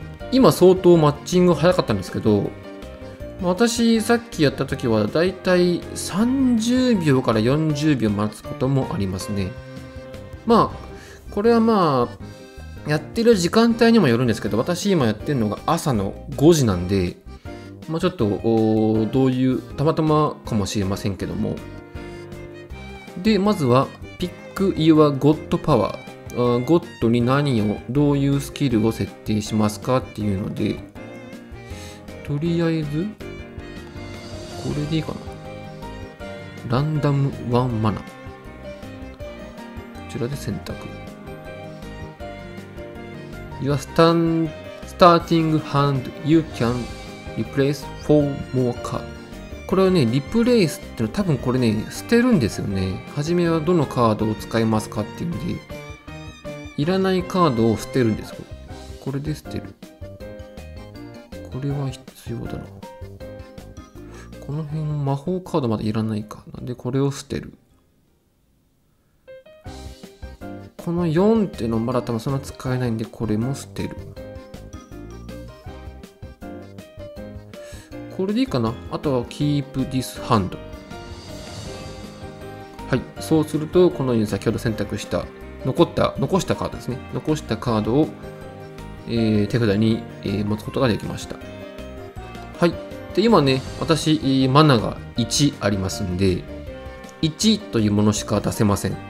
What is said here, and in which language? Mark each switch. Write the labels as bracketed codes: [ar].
[ja] 今相当マッチング早かったんですけど、私、さっきやったときは、だいたい30秒から40秒待つこともありますね。まあ、これはまあ、やってる時間帯にもよるんですけど、私今やってるのが朝の5時なんで、まあちょっと、どういう、たまたまかもしれませんけども。で、まずは、 [en] Pick Your God Power。 [ja] God に何を、どういうスキルを設定しますかっていうので、とりあえず、これでいいかな。ランダムワンマナ。こちらで選択。 [en] Your starting hand, you can replace four more cards. [ja] これはね、リプレイスってのは多分これね、捨てるんですよね。はじめはどのカードを使いますかっていうんで、いらないカードを捨てるんですよ。これで捨てる。これは必要だな。この辺の魔法カードまだいらないか。なんでこれを捨てる。この4っていうのまだ多分そんな使えないんで、これも捨てる。これでいいかな。あとは [en] Keep This Hand。 [ja] はい。そうすると、このように先ほど選択した、残したカードですね。残したカードを、手札に、持つことができました。はい。で、今ね、私、マナが1ありますんで、1というものしか出せません。